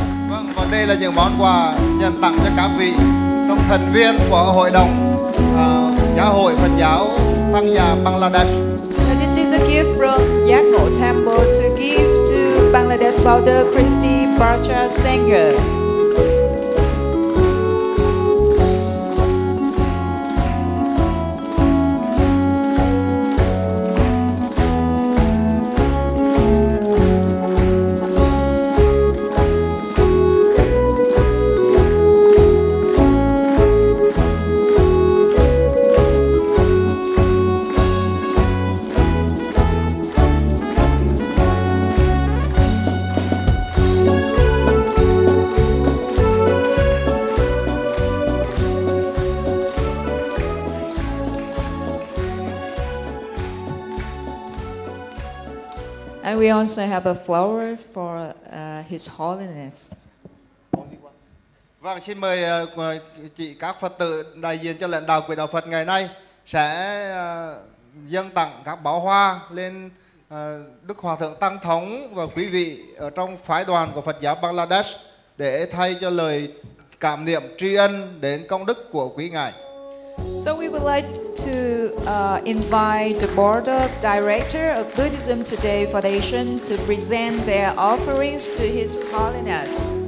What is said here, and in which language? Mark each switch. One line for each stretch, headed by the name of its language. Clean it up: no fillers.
Vietnamese: Vâng, và đây là những món quà nhận tặng cho các vị trong thành viên của Hội đồng Giáo hội Phật giáo Tăng già Bangladesh.
English: And this is a gift from Yakko Temple to give to Bangladesh Founder Christy Bracha Sangha. Thank you. And we also have a flower for His Holiness.
Vietnamese: Vâng, xin mời chị các Phật tử đại diện cho lãnh đạo của đạo Phật ngày nay sẽ dâng tặng các bó hoa lên Đức Hòa Thượng Tăng Thống và quý vị ở trong phái đoàn của Phật giáo Bangladesh để thay cho lời cảm niệm tri ân đến công đức của quý ngài.
English: So we would like to invite the board of director of Buddhism Today Foundation to present their offerings to His Holiness.